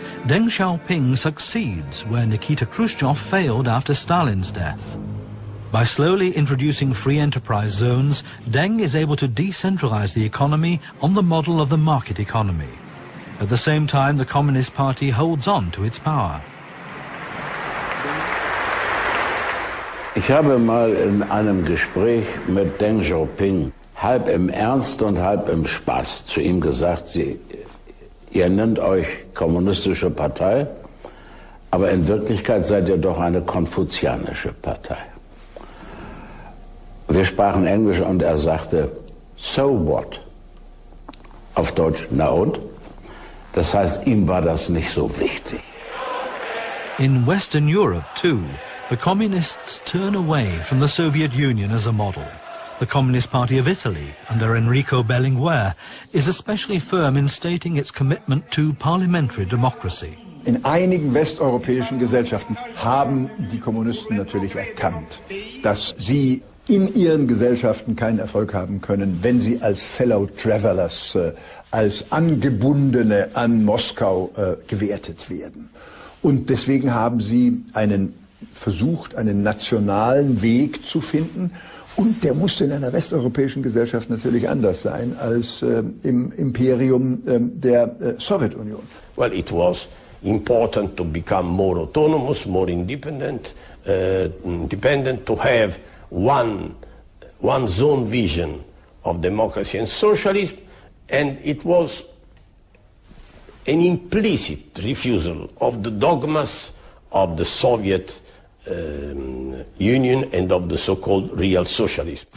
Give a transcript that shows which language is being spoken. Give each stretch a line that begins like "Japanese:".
English: Deng Xiaoping succeeds where Nikita Khrushchev failed after Stalin's death. By slowly introducing free enterprise zones, Deng is able to decentralize the economy on the model of the market economy. At the same time, the Communist Party holds on to its power.
German: Ich habe mal in einem Gespräch mit Deng Xiaoping halb im Ernst und halb im Spaß zu ihm gesagt, ihr nennt euch kommunistische Partei, aber in Wirklichkeit seid ihr doch eine konfuzianische Partei. Wir sprachen Englisch und er sagte,
English: so what?
German: Auf Deutsch, na und? Das heißt, ihm war das nicht so wichtig.
English: In Western Europe, too, the communists turn away from the Soviet Union as a model. The Communist Party of Italy, under Enrico Berlinguer, is especially firm in stating its commitment to parliamentary democracy.
German: In einigen westeuropäischen Gesellschaften haben die Kommunisten natürlich erkannt, dass sie in ihren Gesellschaften keinen Erfolg haben können, wenn sie als Fellow Travelers, als Angebundene an Moskau gewertet werden. Und deswegen haben sie versucht, einen nationalen Weg zu finden. Und der musste in einer westeuropäischen Gesellschaft natürlich anders sein als im Imperium der Sowjetunion.
English: Well, it was important to become more autonomous, more independent, dependent to have one's own vision of democracy and socialism, and it was an implicit refusal of the dogmas of the Soviet Union and of the so-called real socialism.